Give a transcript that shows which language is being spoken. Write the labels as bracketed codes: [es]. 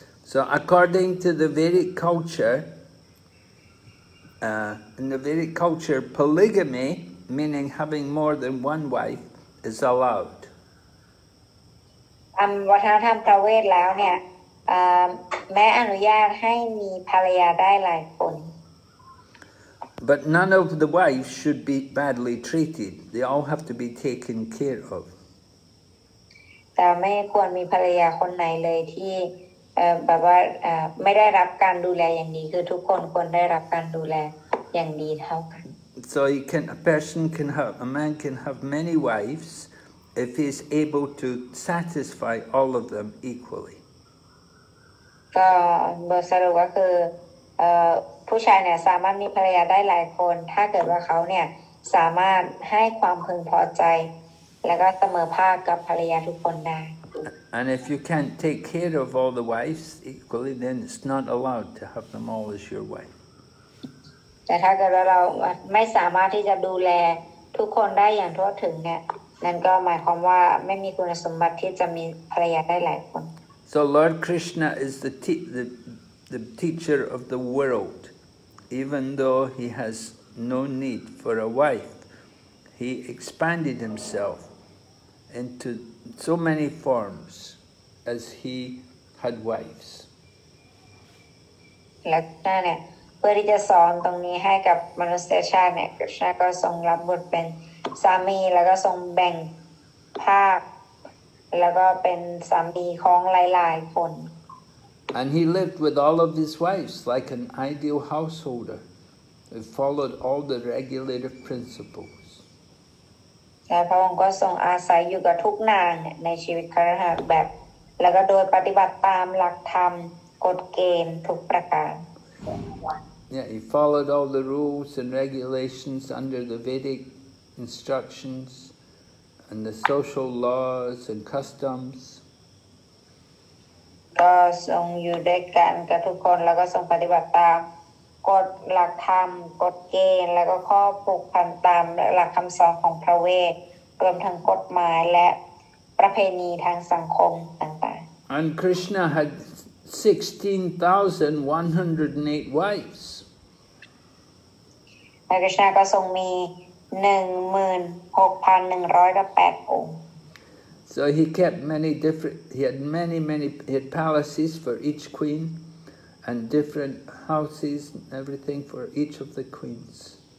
[en] So according to the Vedic culture in the Vedic culture polygamy meaning having more than one wife is allowed [th] วัฒนธรรมประเวศแล้วเนี่ยแม้อนุญาตให้มีภรรยาได้หลายคน [en] But none of the wives should be badly treated. They all have to be taken care of. [th] แต่ไม่ควรมีภรรยาคนไหนเลยที่แบบว่าไม่ได้รับการดูแลอย่างดีคือทุกคนควรได้รับการดูแลอย่างดีเท่ากัน [en] So you can, a man can have many wives if he is able to satisfy all of them equally. [th] ก็บทสรุปก็คือผู้ชายเนี่ยสามารถมีภรรยาได้หลายคนถ้าเกิดว่าเขาเนี่ยสามารถให้ความพึงพอใจแล้วก็เสมอภาคกับภรรยาทุกคนได้ [en] And if you can't take care of all the wives equally then it's not allowed to have them all as your wife. [th] แต่ถ้าเกิดว่าเราไม่สามารถที่จะดูแลทุกคนได้อย่างทั่วถึงเนี่ยนั่นก็หมายความว่าไม่มีคุณสมบัติที่จะมีภรรยาได้หลายคน [en] So Lord Krishna is the teacher of the world even though he has no need for a wife he expanded himself into so many forms as he had wives [th] และท่านเนี่ยเพื่อที่จะสอนตรงนี้ให้กับมนุษยชาติเนี่ยคริสต์ก็ทรงรับบทเป็นสามีแล้วก็ทรงแบ่งภาคแล้วก็เป็นสามีของหลายๆคน [en] And he lived with all of his wives like an ideal householder who followed all the regulative principles [th] และพระองค์ก็ทรงอาศัยอยู่กับทุกนางเนี่ยในชีวิตคฤหัสถ์แบบแล้วก็โดยปฏิบัติตามหลักธรรมกฎเกณฑ์ทุกประการ [en] Yeah, he followed all the rules and regulations under the Vedic instructions and the social laws and customs. [th] ก็ทรงอยู่ด้วยกันกับทุกคนแล้วก็ทรงปฏิบัติตามกฎหลักธรรมกฎเกณฑ์แล้วก็ข้อผูกพันตามหลักคำสอนของพระเวทรวมทั้งกฎหมายและประเพณีทางสังคมต่างๆ [en] And Krishna had 16,108 wives. [th] Krishna ก็ทรงมี 16,108 องค์ [en] So he kept many different, he had many palaces for each queen and different houses and everything for each of the queens.